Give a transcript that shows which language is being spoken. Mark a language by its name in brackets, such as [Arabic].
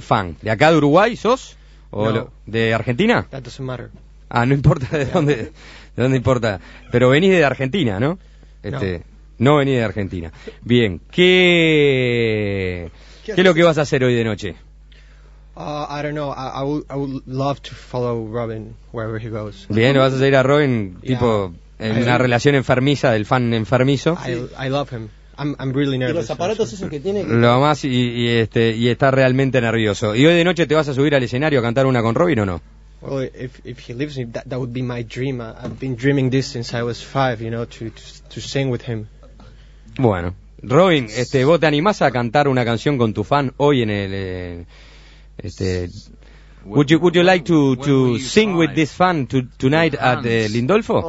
[Spanish] Fan. ¿De acá de Uruguay sos? ¿O no. ¿De Argentina? [English] That doesn't matter. [Spanish] Ah, no importa de dónde importa. Pero venís de Argentina, ¿no? No venía de Argentina. Bien, ¿qué es lo que vas a hacer hoy de noche? [English] I don't know. I would love to follow Robin wherever he goes. [Spanish] Bien, ¿vas a seguir a Robin? Tipo, en una relación enfermiza del fan enfermizo. [English] I love him. I'm really nervous. [Spanish] ¿Y los aparatos esos que tiene? Lo más y está realmente nervioso. ¿Y hoy de noche te vas a subir al escenario a cantar una con Robin o no? [English] Well, if he leaves me, that would be my dream. I've been dreaming this since I was five, you know, to sing with him. [Spanish] Bueno, Robin, ¿vos te animás a cantar una canción con tu fan hoy en el [English] Would you like to sing with this fan tonight at Lindolfo?